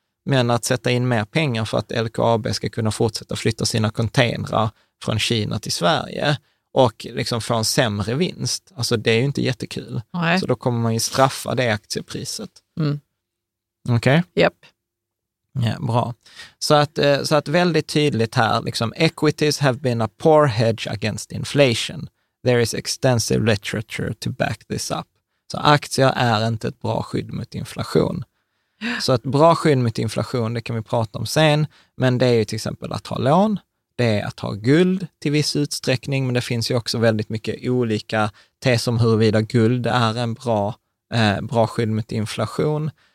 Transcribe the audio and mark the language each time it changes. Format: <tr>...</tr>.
<sv>Men att sätta in mer pengar för att LKAB ska kunna fortsätta flytta sina containrar från Kina till Sverige och liksom få en sämre vinst, alltså det är ju inte jättekul. Nej. Så då kommer man ju straffa det aktiepriset. Mm. Okej? Okay? Japp. Ja, bra. Så att väldigt tydligt här, liksom,</sv> <en>equities have been a poor hedge against inflation. There is extensive literature to back this up.</en> <sv>Så aktier är inte ett bra skydd mot inflation. Så ett bra skydd mot inflation, det kan vi prata om sen, men det är ju till exempel att ha lån, det är att ha guld till viss utsträckning, men det finns ju också väldigt mycket olika teser om huruvida guld är en bra skydd mot inflation.</sv>